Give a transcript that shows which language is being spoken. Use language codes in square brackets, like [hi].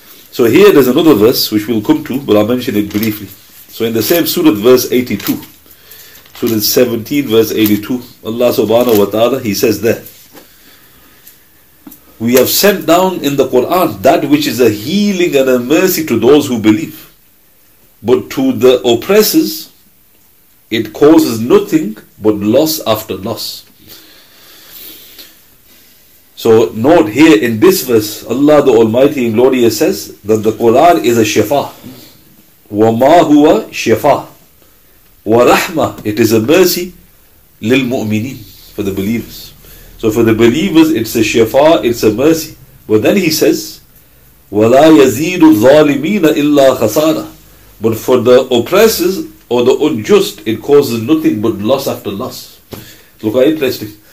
[en] So here there's another verse which we'll come to, but I'll mention it briefly. So in the same surah, verse 82, Surah 17 verse 82, Allah subhanahu wa ta'ala, He says there, we have sent down in the Quran that which is a healing and a mercy to those who believe, but to the oppressors it causes nothing but loss after loss. So note here in this verse, Allah the Almighty and Glorious says that the Quran is a shifa. [ar] وَمَا هُوَ shifa. [en] وَرَحْمَةٌ It is a mercy للمؤمنين, for the believers. So for the believers, it's a shifa, it's a mercy. But then He says, [ar] وَلَا يَزِيدُ الظَّالِمِينَ إِلَّا خَسَارًا [en] But for the oppressors or the unjust, it causes nothing but loss after loss. Look how interesting.